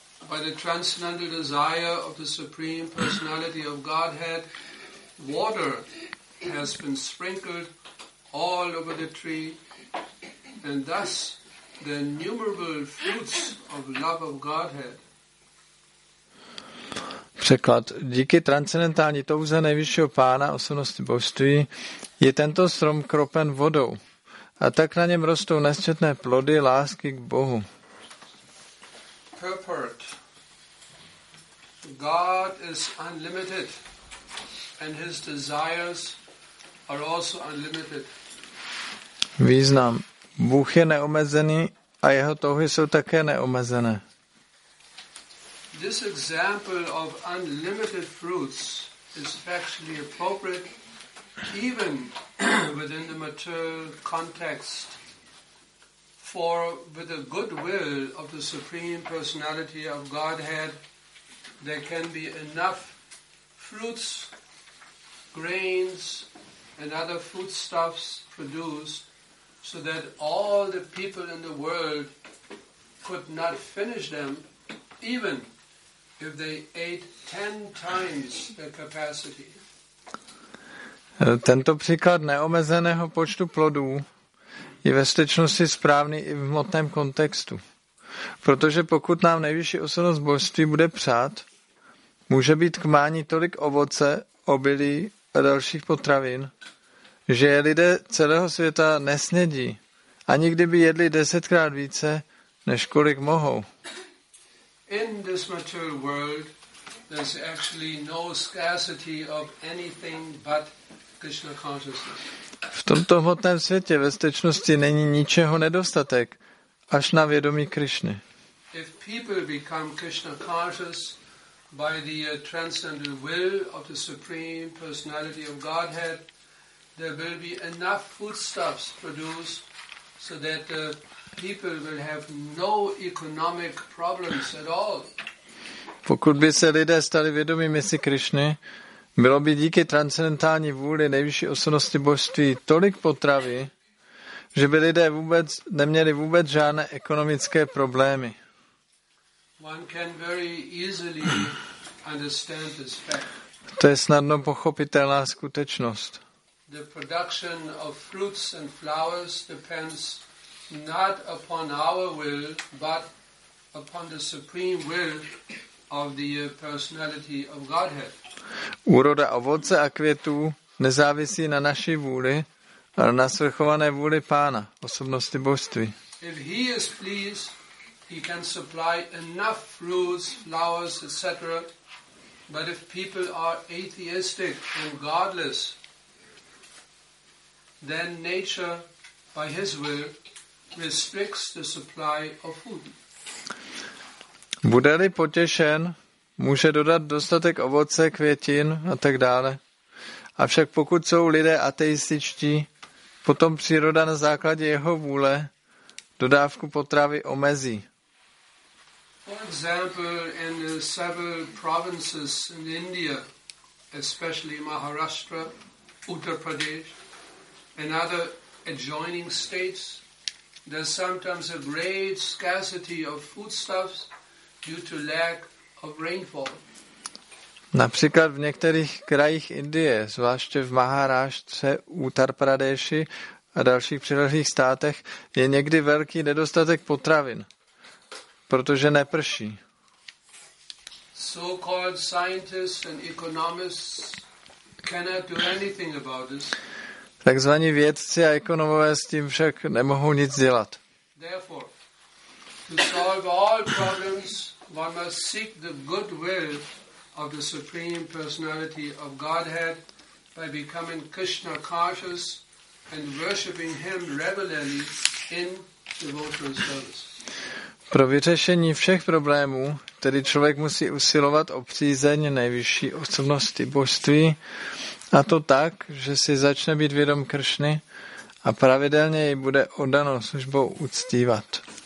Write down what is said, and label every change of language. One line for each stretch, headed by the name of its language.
English: By the transcendental desire of the Supreme Personality of Godhead, water has been sprinkled all over the tree, and thus the innumerable fruits of love of Godhead.
Czech: Překlad. Díky transcendentální touze nejvyššího pána, osobnosti božství, je tento strom kropen vodou. A tak na něm rostou nesčetné plody lásky k Bohu.
English: Purport. God is unlimited and his desires are also unlimited.
Czech: Význam. Bůh je neomezený a jeho touhy jsou také neomezené.
English: This example of unlimited fruits is factually appropriate even within the material context. For with the goodwill of the Supreme Personality of Godhead, there can be enough fruits, grains, and other foodstuffs produced so that all the people in the world could not finish them even if they ate 10 times their capacity.
Czech: Tento příklad neomezeného počtu plodů je ve skutečnosti správný i v hmotném kontextu. Protože pokud nám nejvyšší osobnost božství bude přát, může být k mání tolik ovoce, obilí a dalších potravin, že lidé celého světa nesnědí, ani kdyby jedli 10x více, než kolik mohou.
English: In this material world, there's actually no scarcity of anything but Krishna consciousness.
Czech: V tomto hmotném světě ve skutečnosti není ničeho nedostatek, až na vědomí Krišny.
English: If people become Krishna conscious by the transcendental will of the Supreme Personality of Godhead, there will be enough foodstuffs produced so that the people will have no economic problems at all.
Czech: Pokud by se lidé stali vědomými si Krišny, bylo by díky transcendentální vůli nejvyšší osobnosti božství tolik potravy, že by lidé vůbec neměli vůbec žádné ekonomické problémy.
English: One can very easily understand this fact.
Czech: To je snadno pochopitelná skutečnost.
English: The production of fruits and flowers depends not upon our will, but upon the supreme will of the personality of Godhead.
Czech: Úroda ovoce a květů nezávisí na naší vůli, ale na svrchované vůli Pána, osobnosti božství.
English: If he is pleased, he can supply enough fruits, flowers, etc. But if people are atheistic and godless, then nature, by his will, restricts the supply of food.
Czech: Bude-li potěšen, může dodat dostatek ovoce, květin a tak dále. Avšak pokud jsou lidé ateističtí, potom příroda na základě jeho vůle dodávku potravy omezí.
English: For example, in several provinces in India, especially Maharashtra, Uttar Pradesh, and other adjoining states, there's sometimes a great scarcity of foodstuffs due to lack of rainfall.
Czech: Například v některých krajích Indie, zvláště v Maharáštře, Uttar Pradeshi a dalších přilehlých státech, je někdy velký nedostatek potravin, protože neprší.
English: So-called scientists and economists cannot do anything about this.
Czech: Takzvaní vědci a ekonomové s tím však nemohou nic dělat.
English: Therefore, to solve all problems, one must seek the goodwill of the Supreme Personality of Godhead by becoming Krishna conscious and worshipping him regularly in devotional service.
Czech: Pro vyřešení všech problémů tedy člověk musí usilovat o přízeň nejvyšší osobnosti božství, a to tak, že si začne být vědom Kršny a pravidelně jej bude oddanou službou uctívat.